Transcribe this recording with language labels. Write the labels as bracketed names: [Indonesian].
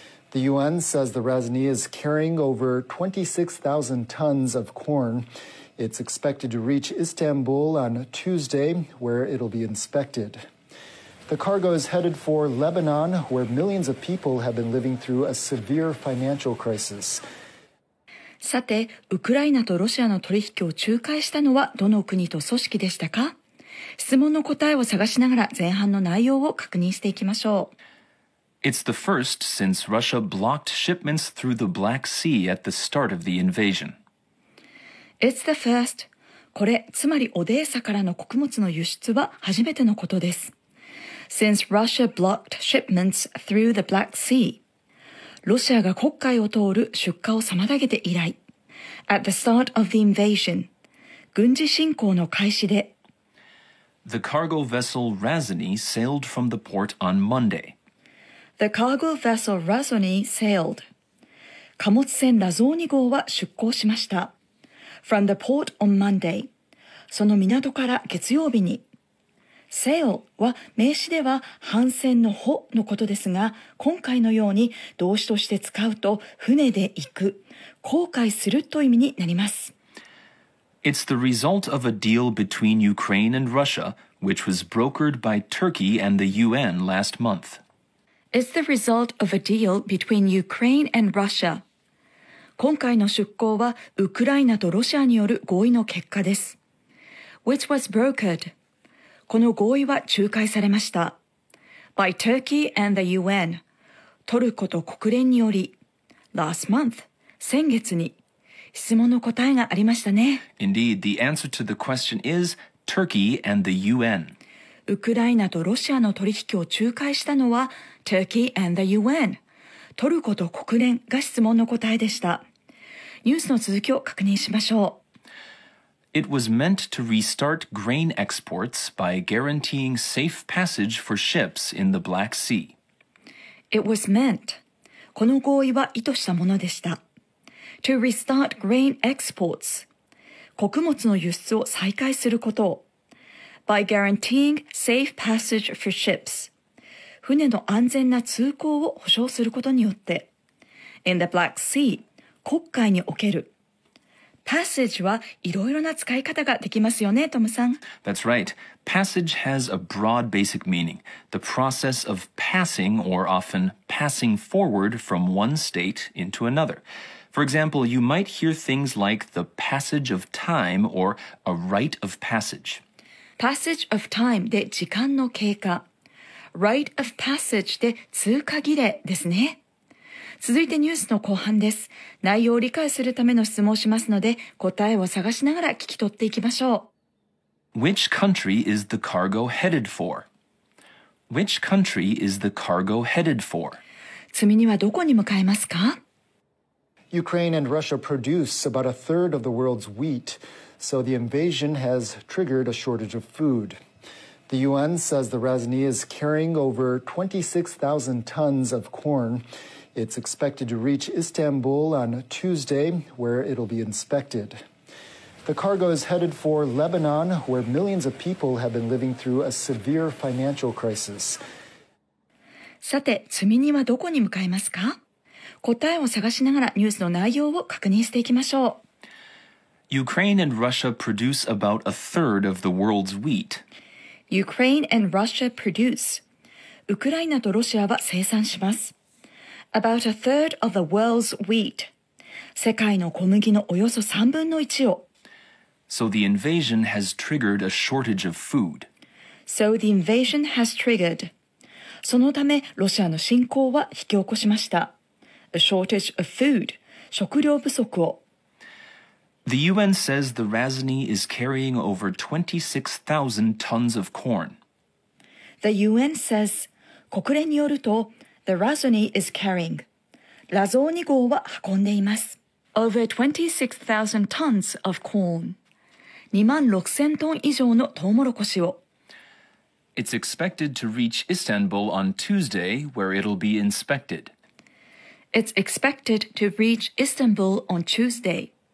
[English] The UN says the Razany is carrying over 26,000 tons of corn. It's expected to reach Istanbul on Tuesday, where it'll be inspected. The cargo is headed for Lebanon, where millions of people have been living through a severe financial crisis. [Japanese] さて、ウクライナとロシアの取引を仲介したのはどの国と組織でしたか？質問の答えを探しながら前半の内容を確認していきましょう。 [English] It's the first since Russia blocked shipments through the Black Sea at the start of the invasion. It's the first. [Japanese] これ、つまりオデーサからの穀物の輸出は初めてのことです。 [English] Since Russia blocked shipments through the Black Sea. [Japanese] ロシアが黒海を通る出荷を妨げて以来。 [English] At the start of the invasion. [Japanese] 軍事侵攻の開始で。 [English] The cargo vessel Razany sailed from the port on Monday. The cargo vessel Razany sailed. [Japanese] 貨物船ラゾーニ号は出港しました。 [English] From the port on Monday. [Japanese] その港から月曜日に。 Sail は名詞では帆船の帆のことですが、今回のように動詞として使うと船で行く、航海するという意味になります。 [English] It's the result of a deal between Ukraine and Russia, which was brokered by Turkey and the UN last month. It's the result of a deal between Ukraine and Russia. [Japanese] 今回の出港はウクライナとロシアによる合意の結果です。 [English] Which was brokered. [Japanese] この合意は仲介されました。 [English] By Turkey and the UN. [Japanese] トルコと国連により。 [English] Last month. [Japanese] 先月に。質問の答えがありましたね。 [English] Indeed, the answer to the question is Turkey and the UN. [Japanese] ウクライナとロシアの取引を仲介したのは [English] Turkey and the UN. [Japanese] トルコと国連が質問の答えでした。ニュースの続きを確認しましょう。 [English] It was meant to restart grain exports by guaranteeing safe passage for ships in the Black Sea. It was meant. [Japanese] この合意は意図したものでした。 [English] To restart grain exports. [Japanese] 穀物の輸出を再開すること。 [English] By guaranteeing safe passage for ships. [Japanese] 船の安全な通行を保障することによって。 [English] In the Black Sea, [Japanese] 黒海における。 Passage はいろいろな使い方ができますよね、トムさん。 [English] That's right. Passage has a broad basic meaning. The process of passing or often passing forward from one state into another. For example, you might hear things like the passage of time or a rite of passage. Passage of time [Japanese] で時間の経過。 [English] Rite of passage [Japanese] で通過儀礼ですね。続いてニュースの後半です。内容を理解するための質問をしますので、答えを探しながら聞き取っていきましょう。 [English] Which country is the cargo headed for? Which country is the cargo headed for? [Japanese] 積み荷はどこに向かいますか? [English] Ukraine and Russia produce about a third of the world's wheat, so the invasion has triggered a shortage of food. The UN says the Razni is carrying over 26,000 tons of corn. It's expected to reach Istanbul on Tuesday, where it'll be inspected. The cargo is headed for Lebanon, where millions of people have been living through a severe financial crisis. [Japanese] さて、積み荷はどこに向かいますか?答えを探しながらニュースの内容を確認していきましょう。 [English] Ukraine and Russia produce about a third of the world's wheat. Ukraine and Russia produce. [Japanese] ウクライナとロシアは生産します。 [English] About a third of the world's wheat. [Japanese] 世界の小麦のおよそ3分の1を。 [English] So the invasion has triggered a shortage of food. So the invasion has triggered. [Japanese] そのためロシアの侵攻は引き起こしました。 [English] A shortage of food. [Japanese] 食料不足を。 [English] The UN says the Razni is carrying over 26,000 tons of corn. The UN says, [Japanese] 国連によると, [English] the Razni is carrying. [Japanese] ラゾーニ号は運んでいます. [English] Over 26,000 tons of corn. [Japanese] 26,000 トン以上のトウモロコシを. [English] It's expected to reach Istanbul on Tuesday, where it'll be inspected. It's expected to reach Istanbul on Tuesday.